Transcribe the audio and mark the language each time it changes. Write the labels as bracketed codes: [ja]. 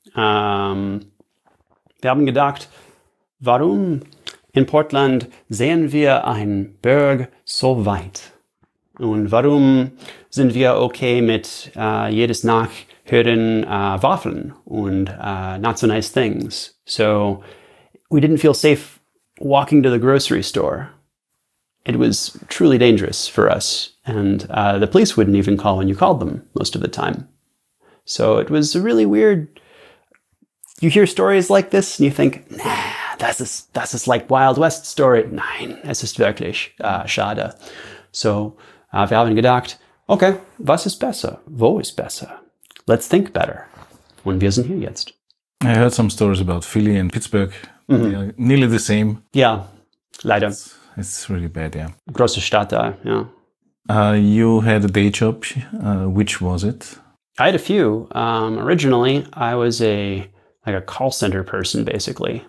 [de] Wir haben gedacht, warum in Portland sehen wir einen Berg so weit? Und warum sind wir okay mit jedes Nachhören Waffeln und [en] not so nice things? So we didn't feel safe walking to the grocery store. It was truly dangerous for us. And the police wouldn't even call when you called them most of the time. So it was a really weird. You hear stories like this and you think, nah, [de] das ist [en] like Wild West story. [de] Nein, es ist wirklich schade. So wir haben gedacht, okay, was ist besser? Wo ist besser? [en] Let's think better. [de] Und wir sind hier jetzt. [en] I heard some stories about Philly and Pittsburgh. Mm-hmm. They are nearly the same. Yeah, [de] leider. [en] It's really bad, yeah. [de] Große Stadt da, ja. [en] You had a day job. Which was it? I had a few. Originally, I was a call center person, basically.